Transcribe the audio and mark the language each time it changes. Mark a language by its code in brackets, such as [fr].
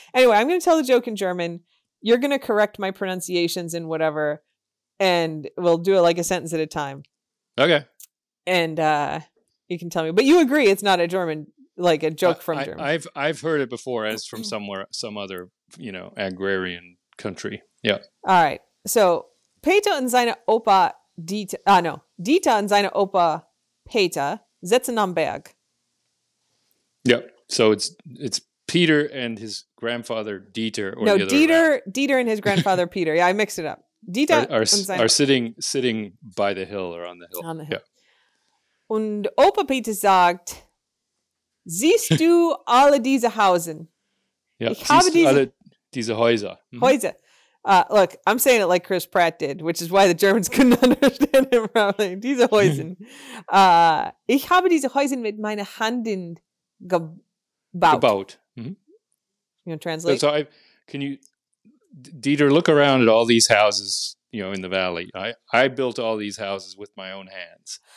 [en] Anyway, I'm going to tell the joke in German. You're going to correct my pronunciations and whatever, and we'll do it like a sentence at a time. Okay. And, you can tell me, but you agree it's not a German, like a joke from Germany. I've heard it before as from somewhere, some other, you know, agrarian country. Yeah. All right. [de] So, Peter und seine Opa, Dieter und seine Opa, Peter, sitzen am Berg. [en] Yep. So, it's Peter and his grandfather, Dieter. Or no, the other Dieter, around. Dieter and his grandfather, Peter. Yeah, I mixed it up. Dieter are sitting by the hill or on the hill. On the hill. Yeah. [de] Und Opa Peter sagt, siehst du alle diese Häuser? Ja, ich habe diese, alle diese Häuser. Mm-hmm. Häuser. [en] Look, I'm saying it like Chris Pratt did, which is why the Germans couldn't understand him. [de] Diese Häuser. ich habe diese Häuser mit meinen Händen gebaut. Gebaut. [en] Mm-hmm. You know, translate. So Dieter, look around at all these houses. You know, in the valley. I built all these houses with my own hands.